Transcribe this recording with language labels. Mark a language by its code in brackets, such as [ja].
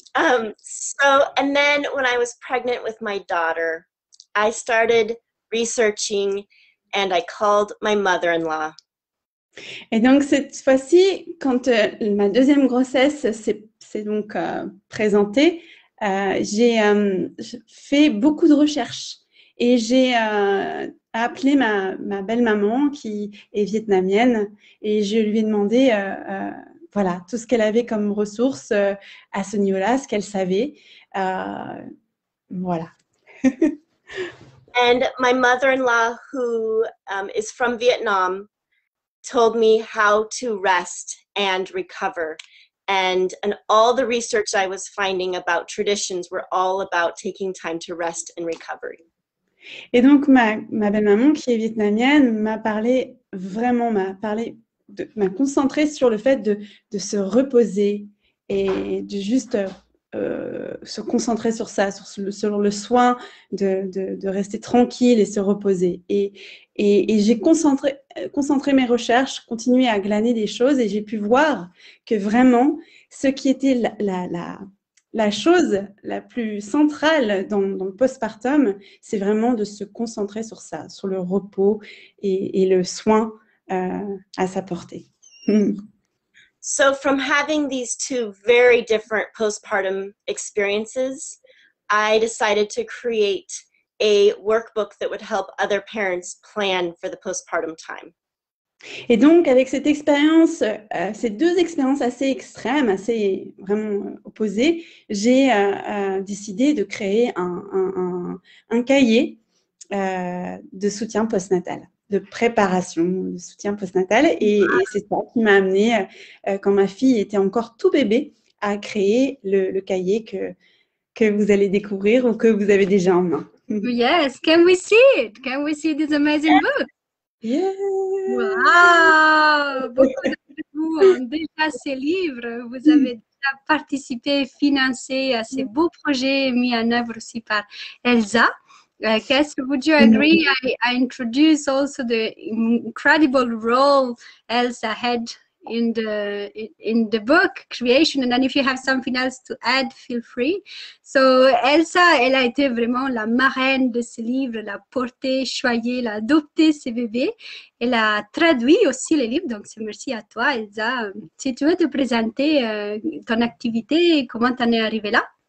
[en] And then when I was pregnant with my daughter, I started researching and I called my mother-in-law. [fr] Et donc cette fois-ci, quand ma deuxième grossesse s'est donc présentée, j'ai fait beaucoup de recherches et j'ai appelé ma belle-maman qui est vietnamienne et je lui ai demandé voilà tout ce qu'elle avait comme ressources à ce niveau-là, ce qu'elle savait, voilà. [en] And my mother-in-law, who is from Vietnam, told me how to rest and recover. And all the research I was finding about traditions were all about taking time to rest and recovery. [fr] Et donc, ma belle-maman, qui est vietnamienne, m'a parlé vraiment, m'a concentrée sur le fait de se reposer et de juste se concentrer sur ça, sur le soin de rester tranquille et se reposer. Et j'ai concentré mes recherches, continué à glaner des choses et j'ai pu voir que vraiment, ce qui était la chose la plus centrale dans le postpartum, c'est vraiment de se concentrer sur ça, sur le repos et le soin à sa portée. [en] So from having these two very different postpartum experiences, I decided to create a workbook that would help other parents plan for the postpartum time. [fr] Et donc avec cette expérience, ces deux expériences assez extrêmes, assez vraiment opposées, j'ai décidé de créer un cahier de soutien postnatal. De préparation, de soutien postnatal. Et c'est ça qui m'a amenée, quand ma fille était encore tout bébé, à créer le cahier que vous allez découvrir ou que vous avez déjà en main. [en] Yes, can we see it? Can we see this amazing book? Yeah! [fr] Wow! Beaucoup de vous ont déjà ces livres. Vous avez déjà participé et financé à ces beaux projets mis en œuvre aussi par Elsa. [en] Kes, would you agree? I introduce also the incredible role Elsa had in the book creation. And then if you have something else to add, feel free. [fr] So Elsa, elle a été vraiment la marraine de ce livre, elle a porté, choyé, elle a adopté ses bébés. Elle a traduit aussi les livres. Donc c'est merci à toi, Elsa. Si tu veux te présenter ton activité, comment t'en es arrivée là?